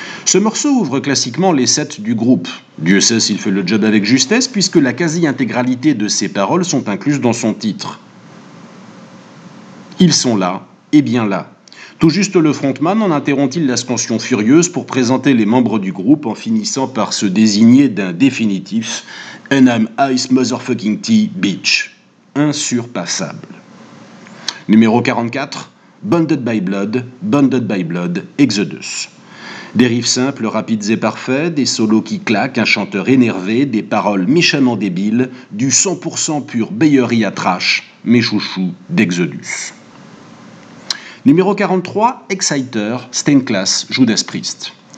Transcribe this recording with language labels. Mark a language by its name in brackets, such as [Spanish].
[French] Ce morceau ouvre classiquement les sets du groupe. Dieu sait s'il fait le job avec justesse puisque la quasi-intégralité de ses paroles sont incluses dans son titre. Ils sont là, et bien là. Tout juste le frontman en interrompt-il l'ascension furieuse pour présenter les membres du groupe en finissant par se désigner d'un définitif « [English] And I'm Ice Motherfucking Tea, bitch ». [French] Insurpassable. Numéro 44, Bonded by Blood, Bonded by Blood, Exodus. Des riffs simples, rapides et parfaits, des solos qui claquent, un chanteur énervé, des paroles méchamment débiles, du 100% pur Bayery à trash, mes chouchous d'Exodus. Numéro 43, Exciter, Stained Glass, Judas Priest.